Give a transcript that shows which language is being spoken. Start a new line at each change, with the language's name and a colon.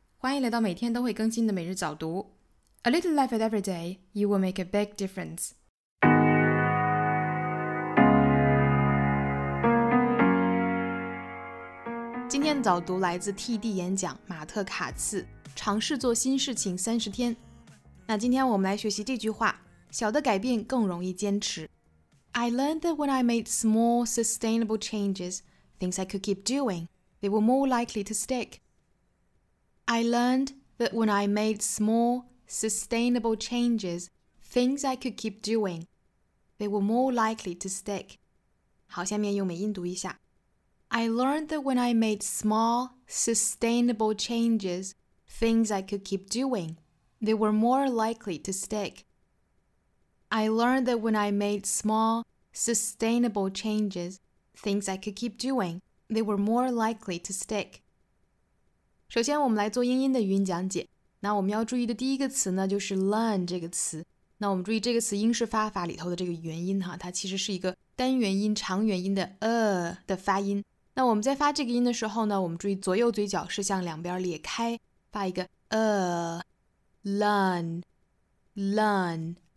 Chinese: 欢迎来到每天都会更新的每日早读。
English: A little life at every day, you will make a big difference.
Chinese: 今天的早读来自 TD 演讲马特卡茨，尝试做新事情30天。那今天我们来学习这句话，小的改变更容易坚持。
English: I learned that when I made small, sustainable changes, things I could keep doing, they were more likely to stick. I learned that when I made small, sustainable changes, things I could keep doing, they were more likely to stick.
Chinese: 好，下面用美音读一下。
English: I learned that when I made small, sustainable changes, things I could keep doing, they were more likely to stick. I learned that when I made small, sustainable changes, things I could keep doing, they were more likely to stick.
Chinese: 首先我们来做英音的语音讲解。那我们要注意的第一个词呢，就是 learn 这个词。那我们注意这个词英式发法里头的这个元音哈，它其实是一个单元音长元音的的发音。那我们在发这个音的时候呢，我们注意左右嘴角是向两边裂开，发一个learn, learn。